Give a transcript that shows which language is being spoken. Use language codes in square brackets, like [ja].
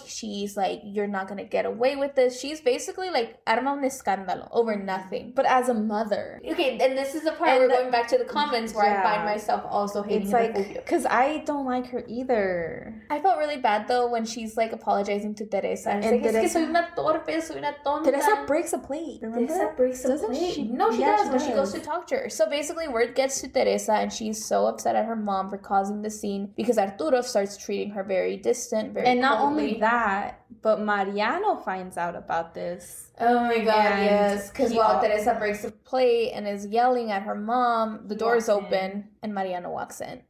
[en] She's like, you're not going to get away with this. She's basically like, [es] arma un escándalo [en] over nothing. But as a mother. Okay, and this is the part where going back to the comments where, yeah, I find myself also hating her. It's like, because I don't like her either. I felt really bad though when she's like apologizing to Teresa. She's like, [es] Teresa, es que soy una torpe, soy una tonta. [en] Teresa breaks a plate. Remember? Teresa breaks a plate. No, she does when she goes to talk to her. So basically, word gets to Teresa, and she's so upset at her mom for causing the scene because Arturo starts treating her very distant, very and not coldly. Only that, but Mariano finds out about this. Oh my god, and yes, because while Teresa breaks the plate and is yelling at her mom, the door is open and Mariano walks in.